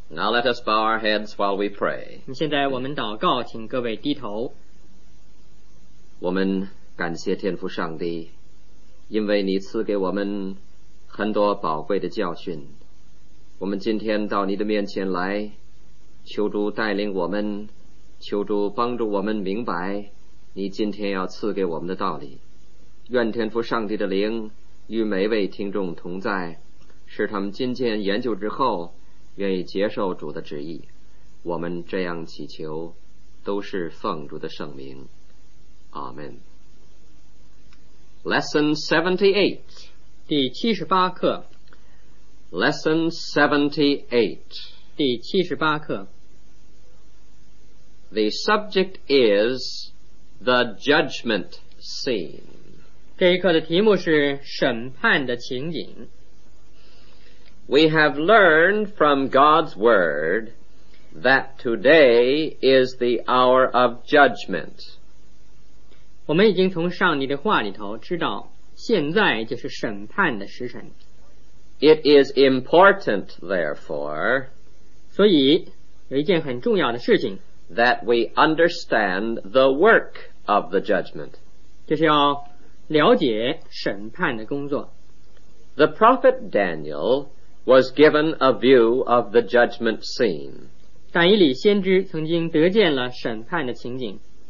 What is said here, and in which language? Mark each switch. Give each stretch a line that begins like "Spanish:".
English: Now let us bow our heads while we pray.
Chinese: 现在我们祷告，请各位低头。我们感谢天父上帝，因为你赐给我们很多宝贵的教训。我们今天到你的面前来，求主带领我们，求主帮助我们明白你今天要赐给我们的道理。愿天父上帝的灵与每位听众同在，使他们今天研究之后愿意接受主的旨意。我们这样祈求，都是奉主的圣名。
English: Amen. Lesson 78.
Chinese: 第78课
English: Lesson 78.
Chinese: 第78课
English: The subject is the judgment scene.
Chinese: 这一课的题目是审判的情景。
English: We have learned from God's word that today is the hour of judgment.
Chinese: 我们已经从上帝的话里头知道，现在就是审判的时辰。
English: It is important, therefore,
Chinese: 所以有一件很重要的事情
English: ，that we understand the work of the judgment，
Chinese: 就是要了解审判的工作。
English: The prophet Daniel was given a view of the judgment scene。
Chinese: 但以理先知曾经得见了审判的情景。